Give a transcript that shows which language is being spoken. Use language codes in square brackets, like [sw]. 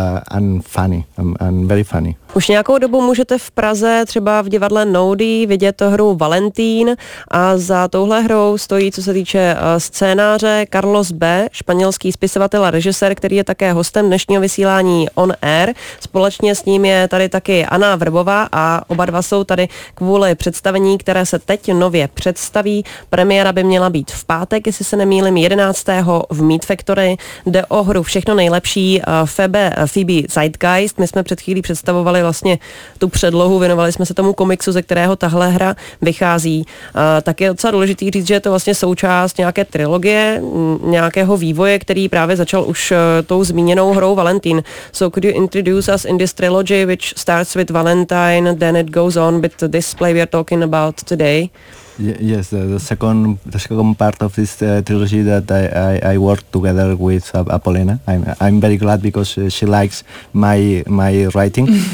[en] and funny, and very funny. [cs] Už nějakou dobu můžete v Praze třeba v divadle Noudy vidět hru Valentín a za touhle hrou stojí, co se týče scénáře, Carlos B., španělský spisovatel a režisér, který je také hostem dnešního vysílání On Air. Společně s ním je tady taky Anna Vrbová a oba dva jsou tady kvůli představení, které se teď nově představí. Premiéra by měla být v pátek, jestli se nemýlím, 11. v Meet Factory. Jde o hru Všechno nejlepší Phoebe Zeitgeist. My jsme před chvílí představovali vlastně tu předlohu, věnovali jsme se tomu komiksu, ze kterého tahle hra vychází. Tak je docela důležitý říct, že je to vlastně součást nějaké trilogie, nějakého vývoje, který právě začal už tou zmíněnou hrou Valentín. [en] So could you introduce us in this trilogy, which starts with Valentine, then it goes on with the display we are talking about today? Yes, the second part of this trilogy that I worked together with Apolena. I'm very glad because she likes my writing.